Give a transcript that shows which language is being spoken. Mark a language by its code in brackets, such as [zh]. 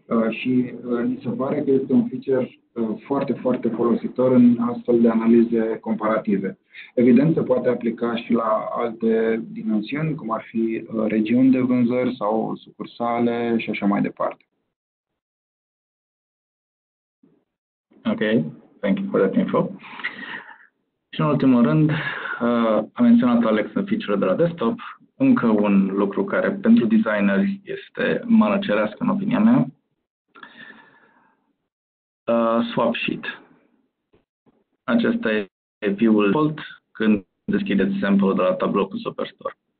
[ro] Și mi se pare că este un feature foarte, foarte folositor în astfel de analize comparative. Evident, se poate aplica și la alte dimensiuni, cum ar fi regiuni de vânzări sau sucursale și așa mai departe. [en] Ok, thank you for that info. [ro] Și în ultimul rând, a menționat Alex în feature-ul de la desktop, încă un lucru care pentru designeri este mânăcerească, în opinia mea, swap sheet. Acesta e view-ul default când deschideți sample-ul de la tablou cu Superstore.